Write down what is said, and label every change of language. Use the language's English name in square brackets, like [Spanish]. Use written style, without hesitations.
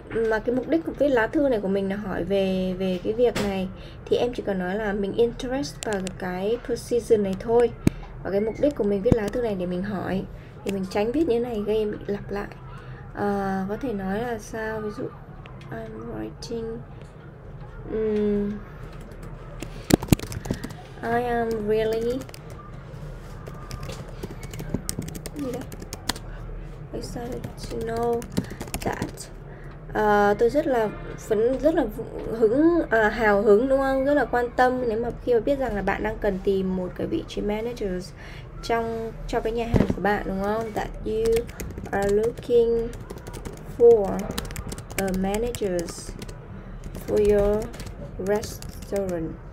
[Vietnamese] Mà cái mục đích của cái lá thư này của mình là hỏi về về cái việc này, thì em chỉ cần nói là mình interest vào cái position này thôi. Và cái mục đích của mình viết lá thư này để mình hỏi, thì mình tránh viết như này gây bị lặp lại. Có thể nói là sao, ví dụ [English] I'm writing I am really excited to know that. [Vietnamese] Tôi rất là phấn, rất là hứng, hào hứng đúng không? Rất là quan tâm nếu mà khi mà biết rằng là bạn đang cần tìm một cái vị trí manager trong cho cái nhà hàng của bạn đúng không? [English] That you are looking for a manager for your restaurant.